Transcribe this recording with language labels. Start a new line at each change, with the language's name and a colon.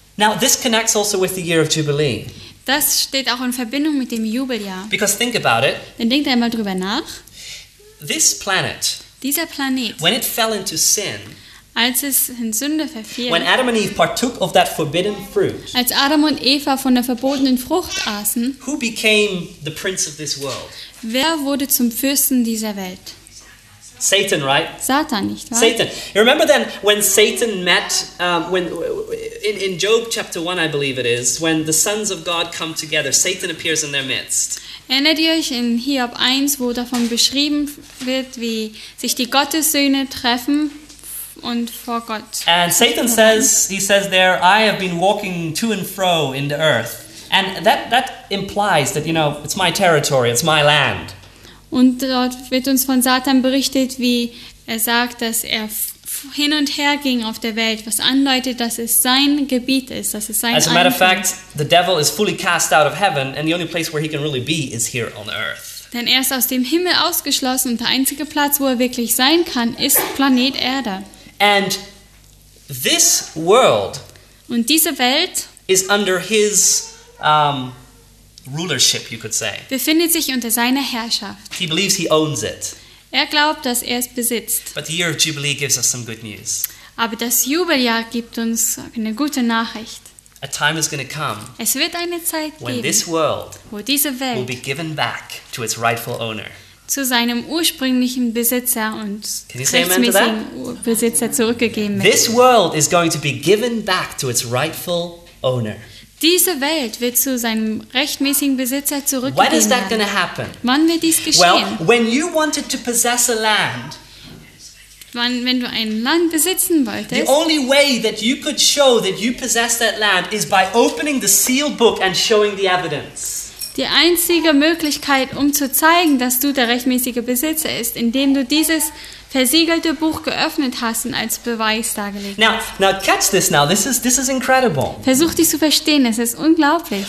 English: Now this connects also with the year of Jubilee.
German: Das steht auch in Verbindung mit dem Jubeljahr.
English: Because think about it.
German: Denn denkt einmal drüber nach.
English: This planet.
German: Dieser Planet.
English: When it fell into sin.
German: Als es in Sünde verfiel.
English: When Adam and Eve partook of that forbidden fruit.
German: Als Adam und Eva von der verbotenen Frucht aßen.
English: Who became the prince of this world?
German: Wer wurde zum Fürsten dieser Welt?
English: Satan, right?
German: Satan, nicht wahr?
English: Satan. You remember then when Satan met in Job chapter 1, I believe it is, when the sons of God come together, Satan appears in their midst.
German: Erinnert ihr euch in Hiob 1, wo davon beschrieben wird, wie sich die Gottessöhne treffen und vor Gott?
English: And Satan says, he says there, I have been walking to and fro in the earth. And that implies that, you know, it's my territory, it's my land.
German: Und dort wird uns von Satan berichtet, wie er sagt, dass er hin und her ging auf der Welt, was andeutet, dass es sein Gebiet ist, dass es sein Anliegen.
English: As a matter of fact, the devil is fully cast out of heaven, and the only place where he can really be is here on earth.
German: Denn er ist aus dem Himmel ausgeschlossen, und der einzige Platz, wo er wirklich sein kann, ist Planet Erde.
English: And this world,
German: und diese Welt,
English: is under his rulership, you could say.
German: Befindet sich unter seiner Herrschaft.
English: He believes he owns it.
German: Er glaubt, dass er es besitzt.
English: But the year of Jubilee gives us some good news.
German: Aber das Jubeljahr gibt uns eine gute Nachricht.
English: A time is going to come.
German: Es wird eine Zeit geben.
English: When this world,
German: wo diese Welt,
English: will be given back to its rightful owner.
German: Zu seinem ursprünglichen Besitzer und rechtmäßigen Besitzer zurückgegeben wird.
English: This world is going to be given back to its rightful owner.
German: Diese Welt wird zu seinem rechtmäßigen Besitzer zurückgegeben.
English: When is that going to happen?
German: Wann wird dies geschehen?
English: Well, when you wanted to possess a land.
German: Wenn du ein Land besitzen wolltest.
English: The only way that you could show that you possess that land is by opening the sealed book and showing the evidence.
German: Die einzige Möglichkeit, um zu zeigen, dass du der rechtmäßige Besitzer ist, indem du dieses versiegelte Buch geöffnet hast und als Beweis dargelegt hast.
English: Now catch this now. This is incredible.
German: Versuch dies zu verstehen, es ist unglaublich.